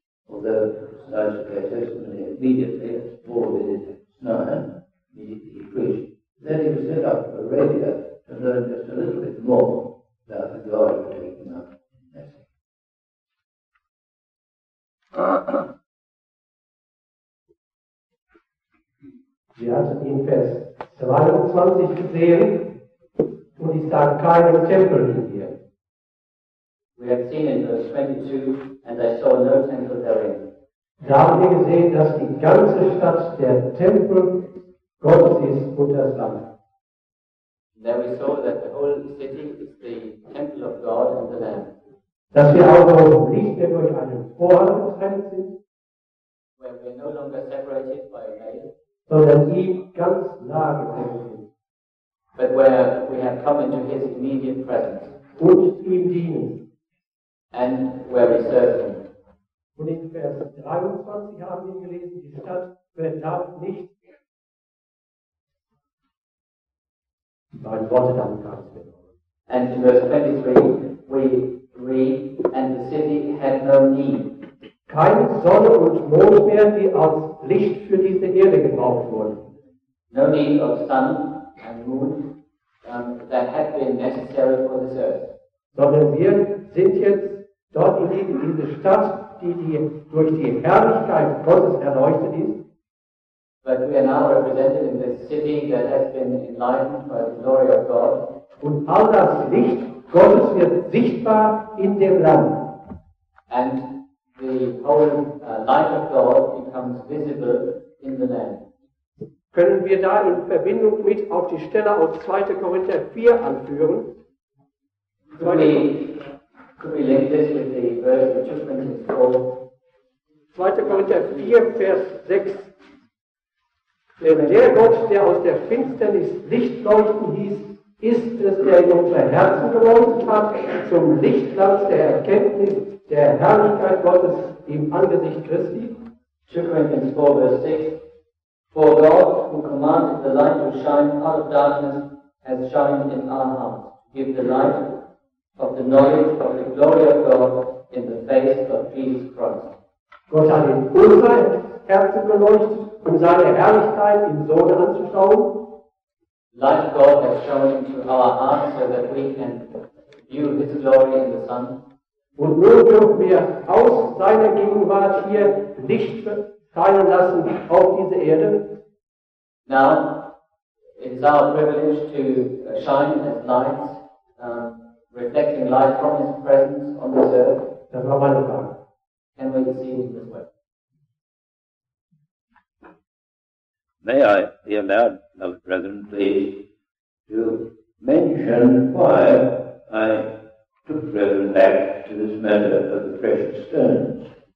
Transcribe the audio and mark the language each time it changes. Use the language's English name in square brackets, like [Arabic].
[English] Although, as I suppose, testimony immediately, as Paul did it in Snyon, immediately he preached. Then he was sent up to Arabia to learn just a little bit more about the God who had taken up in Messiah. [German] Wir hatten in Vers 22 gesehen, wo es da keinen Tempel hier. [English] We had seen in verse 22, and I saw no temple therein. [German] Da haben wir gesehen, dass die ganze Stadt der Tempel Gottes ist und das Land. [English] Then we saw that the whole city is the temple of God and the land. [German] Dass wir also nicht mehr durch einen Vorhang getrennt sind. [English] When we are no longer separated by a veil. [German] Sondern ihm ganz nahe gekommen sind. [English] But where we have come into his immediate presence. [German] Und ihm dienen. [English] And where we serve him. [German] Und in Vers 23 haben wir gelesen, die Stadt wird da nicht. [English] And in verse 23 we read, and the city had no need. [German] Keine Sonne und Mond mehr, die als Licht für diese Erde gebraucht wurden. [English] No need of sun and moon that had been necessary for this earth. [German] Sondern wir sind jetzt dort in diese Stadt, die durch die Herrlichkeit Gottes erleuchtet ist. [English] But we are now represented in this city that has been enlightened by the glory of God. [German] Und all das Licht Gottes wird sichtbar in dem Land. [English] And the whole light of God becomes visible in the land. [German] Können wir da in Verbindung mit auf die Stelle aus 2. Korinther 4 anführen? [English] Could we link this with the verse which just mentioned before? [German] 2. Korinther 4, Vers 6. Denn der Gott, der aus der Finsternis Licht leuchten hieß, ist es, der in unser Herzen gewohnt hat, zum Lichtglanz der Erkenntnis der Herrlichkeit Gottes im Angesicht Christi. [English] 2 Corinthians 4, Vers 6. For God, who commanded the light to shine out of darkness, has shined in our hearts, to give the light of the knowledge of the glory of God in the face of Jesus Christ. [German] Gott hat in unser Herzen geleuchtet, um seine Herrlichkeit im Sohn anzuschauen. [English] Light God has shown into our hearts so that we can view his glory in the Son. [German] Und nun dürfen wir aus seiner Gegenwart hier Licht scheinen lassen auf diese Erde. [English] Now, it is our privilege to shine as lights, reflecting light from his presence on this earth. [German] Das war meine Frage. [English] Can we see him this way? May I be allowed, beloved brethren, please, to mention why I took brethren back to this matter of the precious stones.